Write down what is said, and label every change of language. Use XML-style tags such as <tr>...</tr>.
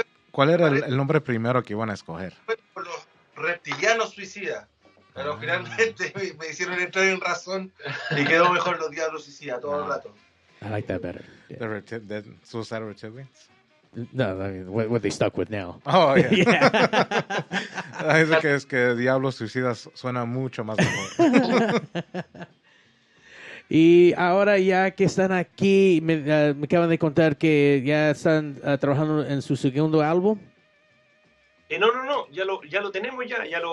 <es>¿Cuál era el nombre primero que iban a escoger? Por los reptilianos suicidas, pero finalmente me hicieron entrar en razón y quedó mejor los Diablos Suicidas todo el rato.</es> <en>I like that better. Yeah. The suicidal reptilians? No, I mean, what they stuck with now. Oh, yeah. Yeah.</en> <es>Es que Diablos Suicidas suena mucho más mejor. Y ahora ya que están aquí, me acaban de contar que ya están trabajando en su segundo álbum. No, ya lo tenemos ya.</es>